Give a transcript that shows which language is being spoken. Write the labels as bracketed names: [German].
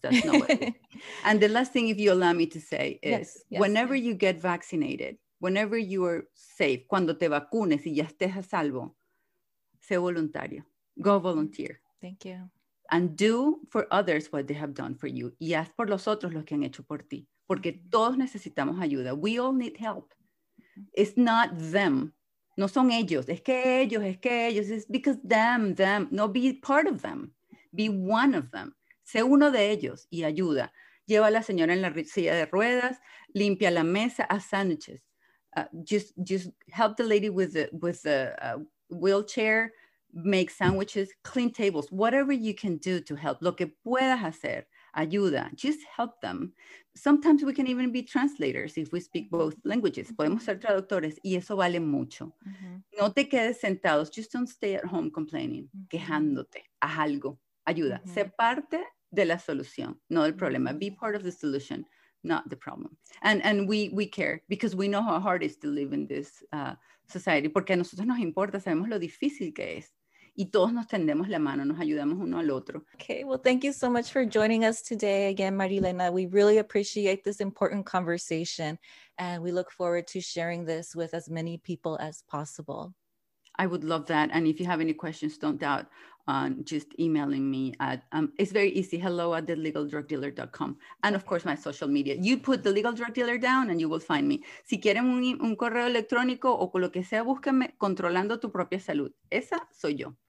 [English] That's not what it is. And the last thing, if you allow me to say, is whenever you get vaccinated, whenever you are safe, [Spanish] cuando te vacunes y ya estés a salvo, sé voluntario. [English] Go volunteer. Thank you. And do for others what they have done for you. [Spanish] Y haz por los otros lo que han hecho por ti. Porque todos necesitamos ayuda. [English] We all need help. It's not them. [Spanish] No son ellos. Es que ellos. [English] It's because them. No, be part of them. Be one of them. [Spanish] Sé uno de ellos y ayuda. Lleva a la señora en la silla de ruedas. Limpia la mesa. Haz sándwiches. [English] Just help the lady with the wheelchair. Make sandwiches, clean tables, whatever you can do to help. [Spanish] Lo que puedas hacer, ayuda. [English] Just help them. Sometimes we can even be translators if we speak both languages. Mm-hmm. [Spanish] Podemos ser traductores y eso vale mucho. Mm-hmm. No te quedes sentados. [English] Just don't stay at home complaining, mm-hmm. [Spanish] quejándote. Haz algo. Ayuda. Mm-hmm. Sé parte de la solución, no del problema. [English] Be part of the solution, not the problem. And we care because we know how hard it is to live in this society, [Spanish] porque a nosotros nos importa, sabemos lo difícil que es, y todos nos tendemos la mano, nos ayudamos uno al otro. [English] Okay, well, thank you so much for joining us today again, Marilena. We really appreciate this important conversation, and we look forward to sharing this with as many people as possible. I would love that, and if you have any questions, don't doubt on just emailing me at it's very easy, hello@thelegaldrugdealer.com, and of course my social media. You put the Legal Drug Dealer down and you will find me. [Spanish] Si quieren un correo electrónico o lo que sea, búsquenme, Controlando Tu Propia Salud. Esa soy yo.